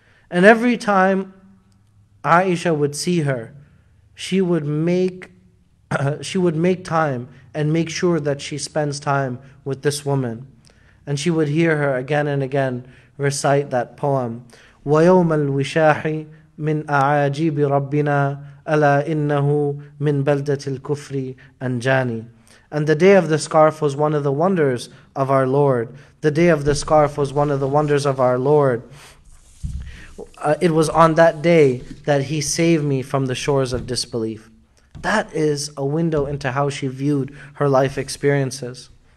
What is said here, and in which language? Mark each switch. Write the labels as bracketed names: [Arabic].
[English] And every time Aisha would see her, she would make time and make sure that she spends time with this woman. And she would hear her again and again recite that poem, [Arabic] وَيَوْمَ الْوِشَاحِ من أعاجيب ربنا ألا إنه من بلدة الكفر أنجاني. [English] And the day of the scarf was one of the wonders of our Lord. The day of the scarf was one of the wonders of our Lord. It was on that day that he saved me from the shores of disbelief. That is a window into how she viewed her life experiences.